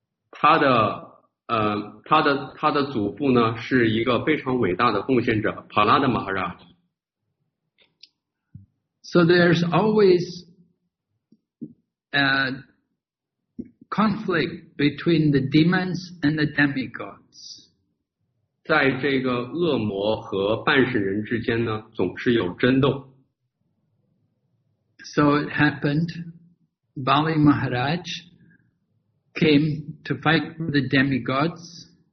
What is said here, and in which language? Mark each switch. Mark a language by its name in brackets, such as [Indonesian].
[Chinese] 他的祖父呢是一个非常伟大的奉献者 Prahlad Maharaj. [English] So there's always a conflict between the demons and the demigods. [Chinese] 在这个恶魔和半神人之间呢，总是有争斗. [English] So it happened, Bali Maharaj came to fight with the demigods.